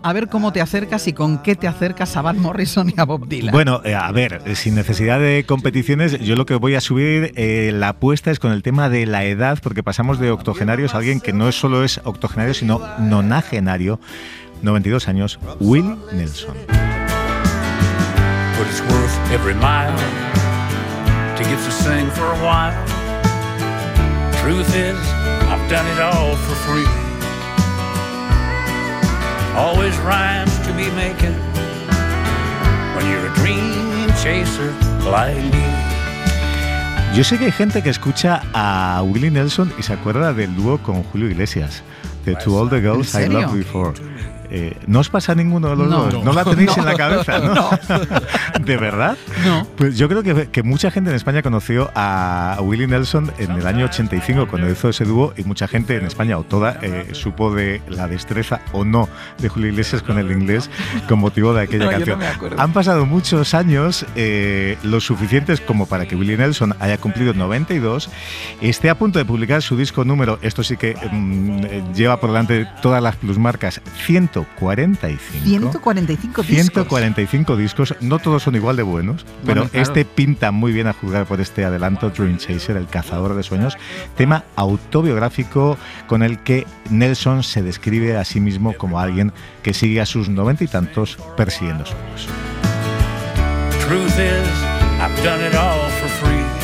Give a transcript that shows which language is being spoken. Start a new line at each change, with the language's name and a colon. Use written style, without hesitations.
Spanish: A ver cómo te acercas y con qué te acercas a Van Morrison y a Bob Dylan. Bueno, a ver, sin necesidad de competiciones, yo lo que voy a subir la apuesta es con el tema de la edad, porque pasamos de octogenarios a alguien que no solo es octogenario, sino nonagenario. 92 años, Will Nelson.
English: But it's worth every mile to get to sing for a while. Truth is, I've done it all for free. Always rhymes to be making when you're a dream chaser like me.
Spanish: Yo sé que hay gente que escucha a Willie Nelson y se acuerda del dúo con Julio Iglesias, de To All the Girls I Loved Before. ¿No os pasa ninguno de los dos? No. ¿No la tenéis en la cabeza? ¿No? ¿De verdad? No. Pues yo creo que mucha gente en España conoció a Willie Nelson en el año 85 cuando hizo ese dúo, y mucha gente en España o toda supo de la destreza o no de Julio Iglesias con el inglés con motivo de aquella canción. Yo no me acuerdo. Han pasado muchos años, lo suficientes como para que Willie Nelson haya cumplido 92, esté a punto de publicar su disco número, esto sí que lleva por delante todas las plusmarcas, 145 discos, no todos son igual de buenos, pero bueno, claro. Este pinta muy bien a juzgar por este adelanto, Dream Chaser, el cazador de sueños, tema autobiográfico con el que Nelson se describe a sí mismo como alguien que sigue a sus 90 y tantos persiguiendo sueños.
English: Truth is, I've done it all for free.